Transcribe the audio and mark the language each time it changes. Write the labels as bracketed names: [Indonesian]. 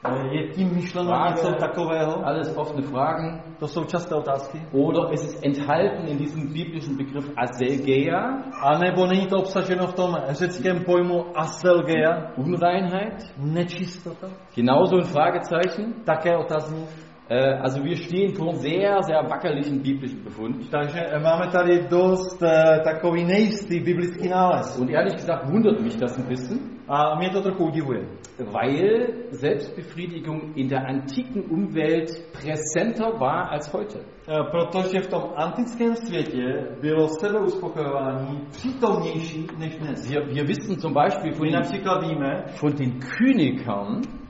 [Czech] Je tím myšleno něco takového? [German] Alles offene Fragen. [Czech] To jsou časté otázky. [German] Oder ist es enthalten in diesem biblischen Begriff Aselgeia? [Czech] A nebo není to obsaženo v tom řeckém pojmu Aselgeia? [German] Unreinheit? [Czech] Nečistota? [German] Genauso ein Fragezeichen. [Czech] Také otazník. [German] Also wir stehen vor einem sehr, sehr wackeligen biblischen Befund. [Czech] Takže máme tady dost takový nejistý biblický nález. [German] Und ehrlich gesagt wundert mich das ein bisschen. [Czech] A mě to trochu udivuje. [German] Weil Selbstbefriedigung in der antiken Umwelt präsenter war als heute. [Czech] Protože v tom antickém světě bylo sebeuspokojování přítomnější než dnes. [German] Wir wissen zum Beispiel von den Königern.